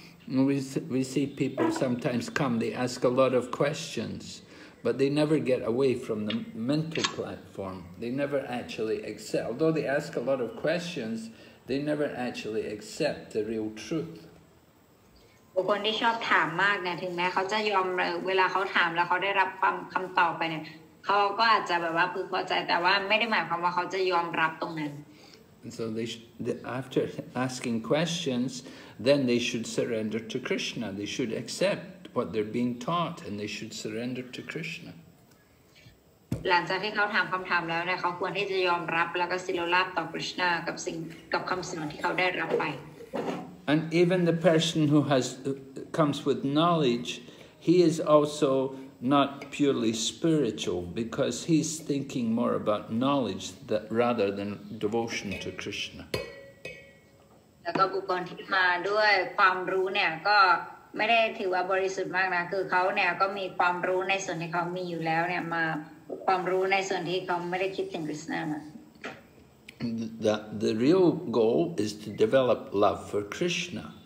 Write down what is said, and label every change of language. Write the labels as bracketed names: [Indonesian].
[English] We see people sometimes come, they ask a lot of questions, but they never get away from the mental platform. They never actually accept, although they ask a lot of questions, they never actually accept the real truth. [Thai] คนที่ชอบถามมากนะถึงแม้เขาจะยอมเวลาเขาถามแล้วเขาได้รับความคำตอบไปเนี่ยเขาก็อาจจะแบบว่าพึงพอใจแต่ว่าไม่ได้หมายความว่าเขาจะยอมรับตรงนั้น [English] So they after asking questions then they should surrender to Krishna they should accept what they're being taught and they should surrender to Krishna [Thai] หลังจากที่เขาถามคำถามแล้วนะเขาควรที่จะยอมรับแล้วก็ศิโลลาภต่อ Krishna กับสิ่งกับคำสอนที่เขาได้รับไป [English] And even the person who has comes with knowledge, he is also not purely spiritual because he's thinking more about knowledge that rather than devotion to Krishna. [Thai] แล้วก็บุคคลที่มาด้วยความรู้เนี่ยก็ไม่ได้ถือว่าบริสุทธิ์มากนะคือเขาเนี่ยก็มีความรู้ในส่วนที่เขามีอยู่แล้วเนี่ยมาความรู้ในส่วนที่เขาไม่ได้คิดถึงคริสต์นะ [English] The real goal is to develop love for Krishna.